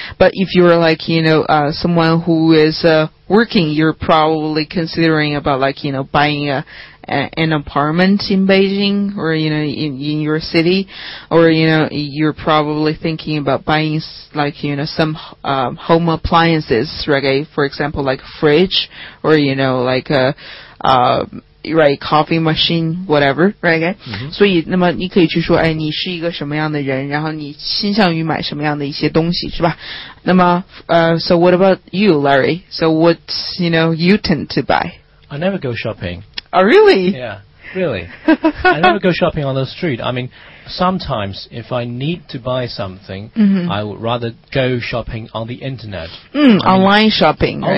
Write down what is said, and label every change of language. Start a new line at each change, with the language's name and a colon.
English: But if you're, like, you know, someone who is working, you're probably considering about, like, you know, buying an apartment in Beijing or, you know, in your city, or, you know, you're probably thinking about buying, like, you know, some home appliances, right? For example, like fridge or, you know, like a right, coffee machine, whatever, right? Mm-hmm.
Chinese: 所以，那么你可以去说，哎，你是一个什么样的人，然后你倾向于买什么样的一些东西，是吧？那么，
English: so what about you, Larry? So what, you know, you tend to buy? I never go shopping. Oh, really? Yeah, really. I never go shopping on the street. I mean, sometimes if I need to buy something, mm-hmm. I would rather go shopping on the internet. Mm, online mean, shopping, right?